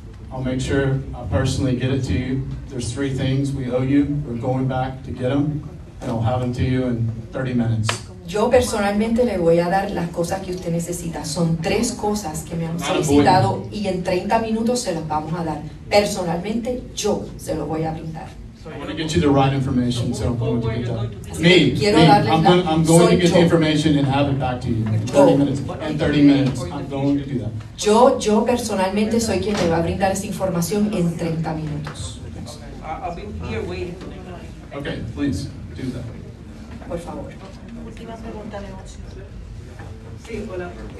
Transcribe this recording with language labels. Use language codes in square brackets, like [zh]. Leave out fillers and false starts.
[en] I'll make sure I personally get it to you. There's three things we owe you. We're going back to get them, and I'll have them to you in 30 minutes. [es] Yo personalmente le voy a dar las cosas que usted necesita. Son tres cosas que me han solicitado y en 30 minutos se las vamos a dar. Personalmente, yo se lo voy a brindar. [en] I want to get you the right information, so I'm going to get that. I'm going to get the information and have it back to you. In 30 minutes. I'm going to do that. [es] Yo personalmente soy quien te va a brindar esta información en 30 minutos. [en] I'll be here waiting. Okay, please, do that. [es] Por favor. Última pregunta de noche. Sí, hola.